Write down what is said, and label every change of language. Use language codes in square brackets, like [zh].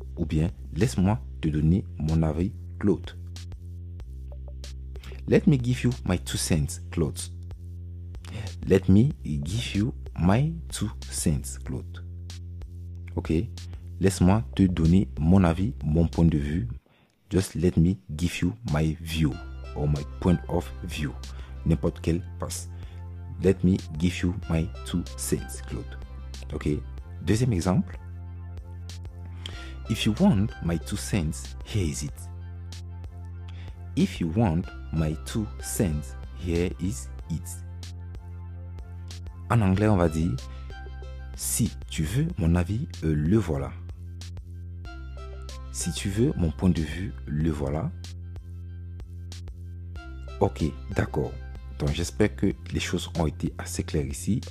[fr] Ou bien, laisse-moi te donner mon avis, Claude. [en] Let me give you my two cents, Claude. Let me give you My two cents, Claude. [fr] Ok, laisse-moi te donner mon avis, mon point de vue. [en] Just let me give you my view or my point of view. [fr] N'importe quelle passe. [en] Let me give you my two cents, Claude. [fr] Ok, deuxième exemple. [en] If you want my two cents, here is it. If you want my two cents, here is it. [fr] En anglais, on va dire, si tu veux mon avis, le voilà. Si tu veux mon point de vue, le voilà. Ok, d'accord. Donc, j'espère que les choses ont été assez claires ici.